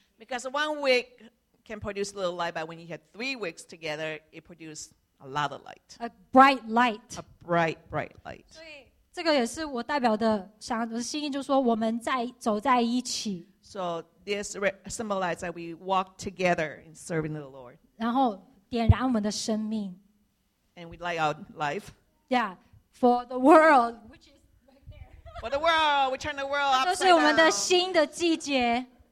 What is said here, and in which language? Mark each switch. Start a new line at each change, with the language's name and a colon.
English: because one wick can produce a little light but when you have three wicks together it produces a lot of light a bright light a bright bright light
Chinese: 所以这个也是我代表的想我的心意就是说我们在走在一起
English: so this symbolizes that we walk together in serving the Lord
Chinese: 然后点燃我们的生命
English: and we light our life yeah for the world which is right there for the world we turn the world upside down
Chinese: 这是我们的新的季节